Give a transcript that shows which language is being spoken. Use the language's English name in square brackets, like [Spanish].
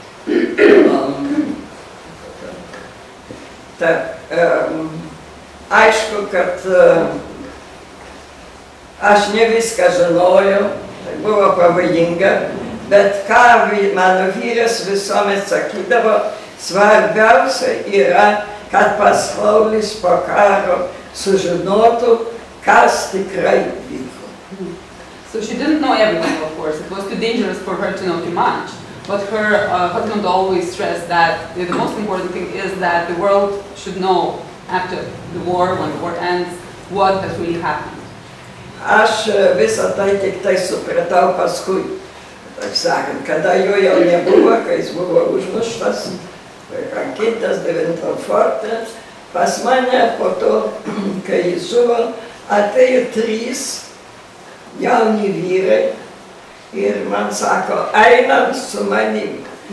[Lithuanian] Taip, aišku, kad aš ne viską žinojau, buvo pavojinga, bet ką mano vyras visuomet sakydavo, svarbiausia yra, kad pasaulis po karo sužinotų, kas tikrai vyko. [English] So she didn't know everything, of course. It was too dangerous for her to know too much. But her husband always stressed that the most important thing is that the world should know after the war, when the war ends, what has really happened. [Lithuanian] Aš visą tai tik tai supratau paskui, taip sakant, kada jo jau nebuvo, kai jis buvo užmuštas, kankintas devintam forte. Pas mane po to, kai jis žuvo, atėjo trys jauni vyrai ir man sako, einam su manim.